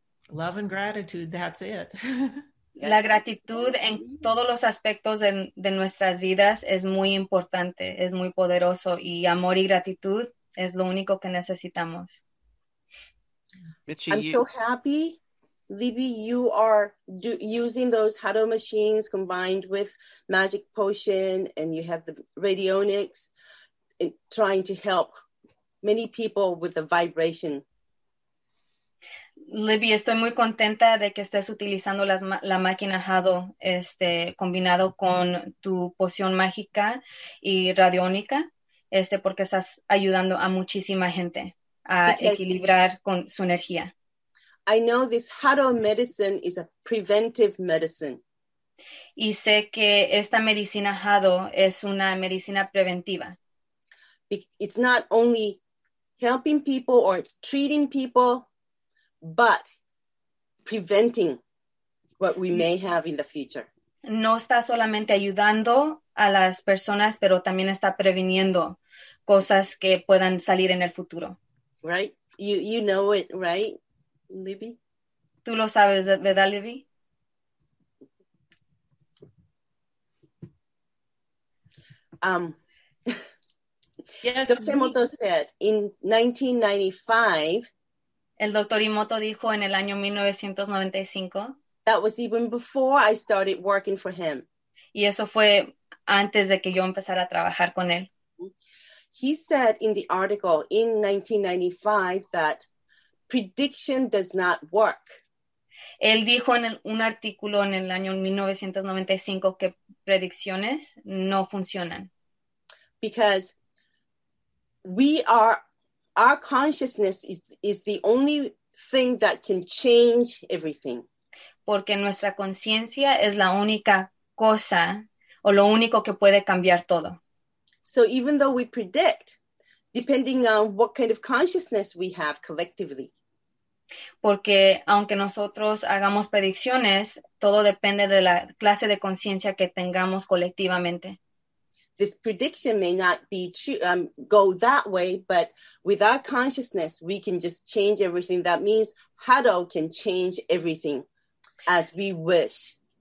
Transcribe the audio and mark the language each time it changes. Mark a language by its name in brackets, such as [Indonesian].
[English] Love and gratitude, that's it. [Spanish] La gratitud en todos los aspectos de nuestras vidas es muy importante, es muy poderoso, y amor y gratitud es lo único que necesitamos. [English] Michi, I'm so happy, Libby, you are using those Haddo machines combined with magic potion, and you have the radionics trying to help many people with the vibration. [Spanish] Libby, estoy muy contenta de que estés utilizando la máquina Haddo, combinado con tu poción mágica y radiónica, porque estás ayudando a muchísima gente a equilibrar con su energía. [English] I know this Haddo medicine is a preventive medicine. [Spanish] Y sé que esta medicina Haddo es una medicina preventiva. [English] It's not only helping people or treating people, but preventing what we may have in the future. [Spanish] No está solamente ayudando a las personas, pero también está previniendo cosas que puedan salir en el futuro. [English] Right? You know it, right, Libby? [Spanish] Tú lo sabes, ¿verdad, Libby? [English] Yes, Dr. Emoto said, in 1995... [Spanish] El doctor Emoto dijo en el año 1995. [English] That was even before I started working for him. [Spanish] Y eso fue antes de que yo empezara a trabajar con él. [English] He said in the article in 1995 that prediction does not work. [Spanish] Él dijo en un artículo en el año 1995 que predicciones no funcionan. [English] Because we are... Our consciousness is the only thing that can change everything. [Spanish] Porque nuestra conciencia es la única cosa o lo único que puede cambiar todo. [English] So even though we predict, depending on what kind of consciousness we have collectively. [Spanish] Porque aunque nosotros hagamos predicciones, todo depende de la clase de conciencia que tengamos colectivamente. [English] This prediction may not be true, go that way, but with our consciousness, we can just change everything. That means Haddo can change everything as we wish.